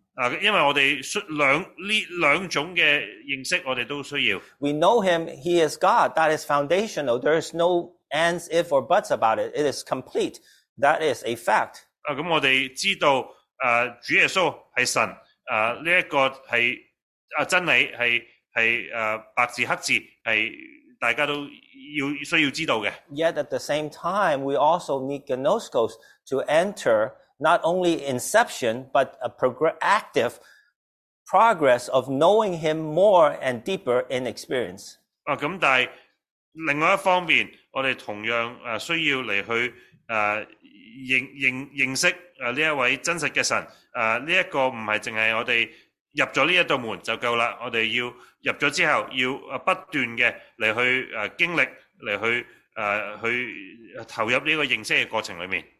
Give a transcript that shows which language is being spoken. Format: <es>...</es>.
<yue>啊，因为我哋两种嘅认识，我哋都需要。</yue> <en>We know him. He is God. That is foundational. There is no ands, if, or buts about it. It is complete. That is a fact.</en> <yue>啊，咁我哋知道，主耶稣系神，呢一个系真理，系白字黑字，系大家都需要知道嘅。</yue> <en>Yet at the same time, we also need gnoskos to enter not only inception but a progressive progress of knowing him more and deeper in experience.</en> <yue>啊，咁但系另外一方面，我哋同样需要嚟去认识呢一位真实嘅神，呢一个唔系净系我哋入咗呢一道门就够啦，我哋要入咗之后要不断嘅嚟去经历，嚟去去投入呢个认识嘅过程里面。</yue>